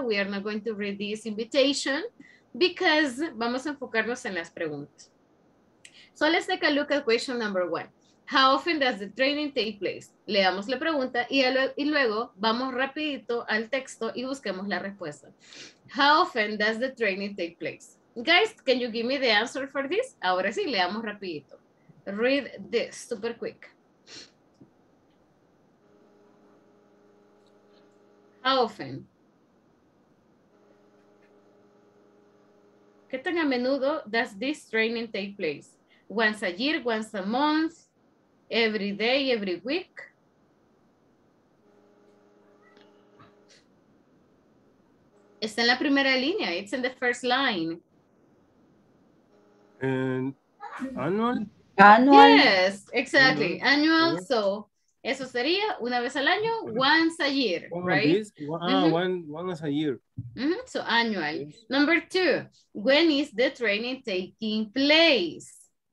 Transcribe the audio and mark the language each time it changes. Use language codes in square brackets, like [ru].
[en] We are not going to read this invitation because [es] vamos a enfocarnos en las preguntas. [en] So let's take a look at question number one. How often does the training take place? [es] Leamos la pregunta y luego vamos rapidito al texto y busquemos la respuesta. [en] How often does the training take place? Guys, can you give me the answer for this? [es] Ahora sí, leamos rapidito. [en] Read this super quick. How often? [es] ¿Qué tan a menudo [en] does this training take place? Once a year, once a month, every day, every week? [es] Está en la primera línea, [en] it's in the first line. Annual? Annual. Yes, exactly, annual, so. [es] Eso sería una vez al año, [en] once a year, once a year. Mm-hmm. So annual. Yes. Number two, when is the training taking place?